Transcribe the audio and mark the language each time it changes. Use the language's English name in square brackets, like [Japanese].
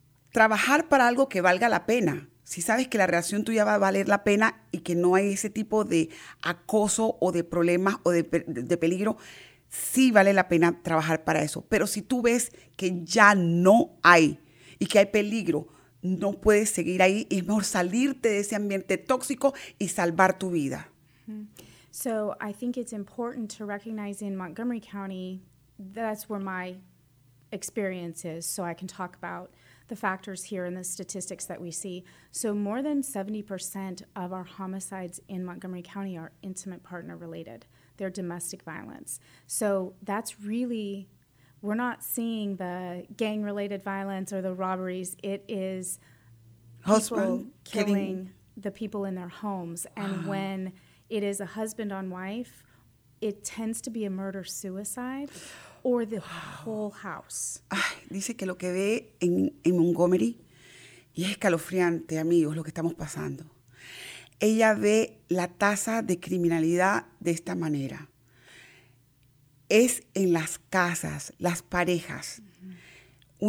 [Spanish] Trabajar para algo que valga la pena. Si sabes que la relación tuya va a valer la pena y que no hay ese tipo de acoso o de problemas o de peligro, sí vale la pena trabajar para eso. Pero si tú ves que ya no hay y que hay peligro, no puedes seguir ahí. Es mejor salirte de ese ambiente tóxico y salvar tu vida. [English] So I think it's important to recognize in Montgomery County, that's where my experience is, so I can talk about the factors here and the statistics that we see. So more than 70% of our homicides in Montgomery County are intimate partner related. They're domestic violence. So that's really, we're not seeing the gang related violence or the robberies. It is husband people killing the people in their homes. And when it is a husband on wife, it tends to be a murder suicide. Or the whole house. [Spanish] Ay, dice que lo que ve en Montgomery, y es escalofriante, amigos, lo que estamos pasando. Ella ve la tasa de criminalidad de esta manera. Es en las casas, las parejas. Uh-huh.